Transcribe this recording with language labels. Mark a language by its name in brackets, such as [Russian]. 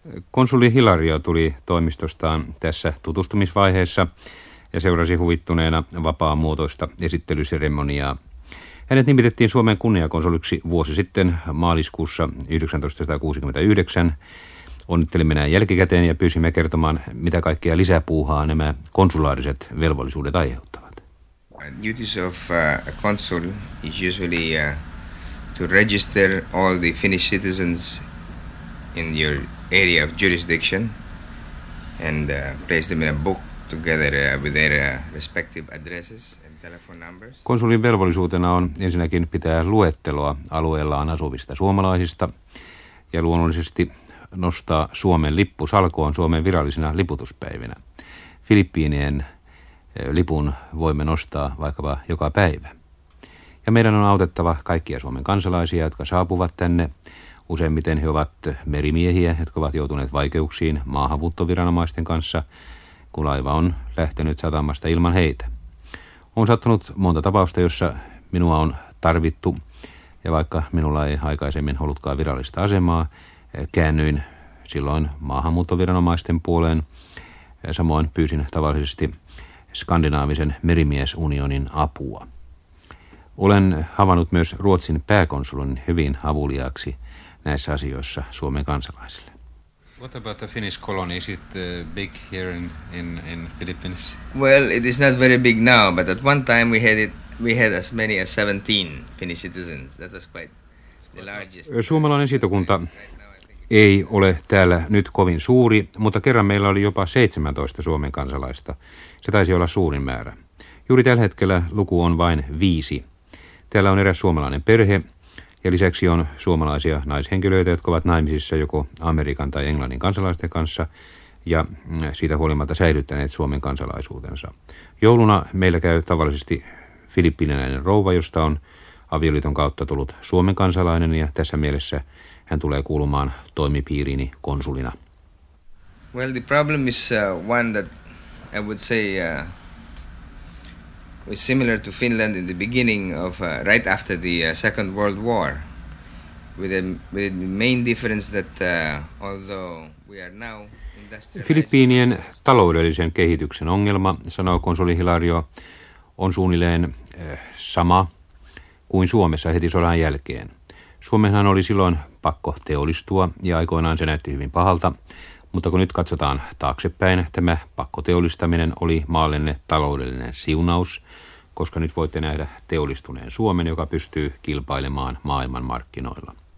[Finnish] Konsuli Hilario tuli toimistostaan tässä tutustumisvaiheessa ja seurasi huvittuneena vapaamuotoista esittelyseremoniaa. Hänet nimitettiin Suomen kunniakonsuliksi vuosi sitten maaliskuussa 1969. Onnittelimme näin jälkikäteen ja pyysimme kertomaan, mitä kaikkea lisäpuuhaa nämä konsulaariset velvollisuudet aiheuttavat. [English] Duties of a consul is usually to register all the Finnish citizens in your area of jurisdiction and place them in a book together with their respective addresses and telephone numbers. [Finnish] Konsulin velvollisuutena on ensinnäkin pitää luetteloa alueellaan asuvista suomalaisista ja luonnollisesti nostaa Suomen lippu salkoon Suomen virallisina liputuspäivinä. Filippiinien lipun voimme nostaa vaikkapa joka päivä. Ja meidän on autettava kaikkia Suomen kansalaisia, jotka saapuvat tänne. Useimmiten he ovat merimiehiä, jotka ovat joutuneet vaikeuksiin maahanmuuttoviranomaisten kanssa, kun laiva on lähtenyt satamasta ilman heitä. On sattunut monta tapausta, jossa minua on tarvittu, ja vaikka minulla ei aikaisemmin ollutkaan virallista asemaa, käännyin silloin maahanmuuttoviranomaisten puoleen. Samoin pyysin tavallisesti Skandinaavisen merimiesunionin apua. Olen havainnut myös Ruotsin pääkonsulin hyvin avuliaaksi näissä asioissa Suomen kansalaisille. [English] What about the Finnish colony? Is it big here in Philippines? Well, it is not very big now, but at one time we had as many as 17 Finnish citizens. That was quite the largest. [Finnish] Suomalainen siitokunta ei ole täällä nyt kovin suuri, mutta kerran meillä oli jopa 17 Suomen kansalaista. Se taisi olla suurin määrä. Juuri tällä hetkellä luku on vain 5. Täällä on eräs suomalainen perhe ja lisäksi on suomalaisia naishenkilöitä, jotka ovat naimisissa joko Amerikan tai Englannin kansalaisten kanssa ja siitä huolimatta säilyttäneet Suomen kansalaisuutensa. Jouluna meillä käy tavallisesti filippiiniläinen rouva, josta on avioliiton kautta tullut Suomen kansalainen ja tässä mielessä hän tulee kuulumaan toimipiiriini konsulina. [English] Well, the problem is one that I would say was similar to Finland in the beginning of right after the Second World War, with the main difference that although we are now industrialized. [Finnish] Filippiinien taloudellisen kehityksen ongelma, sanoo konsuli Hilario, on suunnilleen sama kuin Suomessa heti sodan jälkeen. Suomenhan oli silloin pakko teollistua ja aikoinaan se näytti hyvin pahalta, mutta kun nyt katsotaan taaksepäin, tämä pakkoteollistaminen oli maallenne taloudellinen siunaus, koska nyt voitte nähdä teollistuneen Suomen, joka pystyy kilpailemaan maailmanmarkkinoilla.